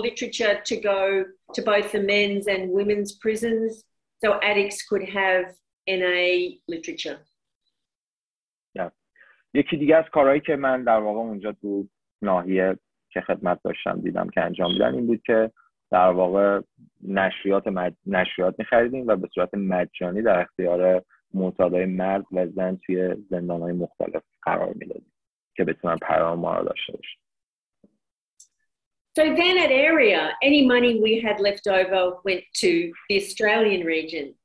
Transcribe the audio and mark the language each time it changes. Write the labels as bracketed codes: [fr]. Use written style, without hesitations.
[en] literature to go to both the men's and women's prisons so addicts could have NA literature. Yeah. [fa] یکی دیگه از کارهایی که من در واقع اونجا تو ناحیه که خدمت داشتم دیدم که انجام دادن این بود که در واقع نشریات می‌خریدیم و به صورت مجانی در اختیار معتادای مرد و زن توی زندان‌های مختلف قرار می‌دادیم که بتونن پیام ما رو داشته باشن. [en] So then at area, any money we had left over went to the Australian region.